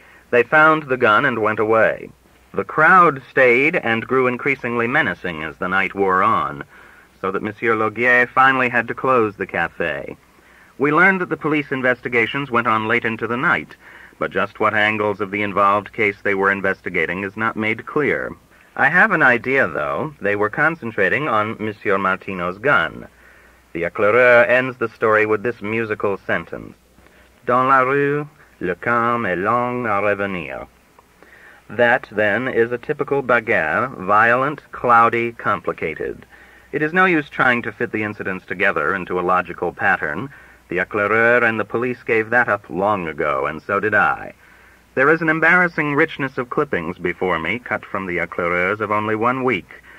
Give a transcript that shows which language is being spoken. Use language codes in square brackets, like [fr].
[en] They found the gun and went away. The crowd stayed and grew increasingly menacing as the night wore on, so that Monsieur Loguier finally had to close the café. We learned that the police investigations went on late into the night, but just what angles of the involved case they were investigating is not made clear. I have an idea, though. They were concentrating on Monsieur Martino's gun. The éclaireur ends the story with this musical sentence. [fr] Dans la rue, le calme est long à revenir. [en] That, then, is a typical bagarre, violent, cloudy, complicated. It is no use trying to fit the incidents together into a logical pattern. The éclaireur and the police gave that up long ago, and so did I. There is an embarrassing richness of clippings before me, cut from the éclaireurs of only 1 week.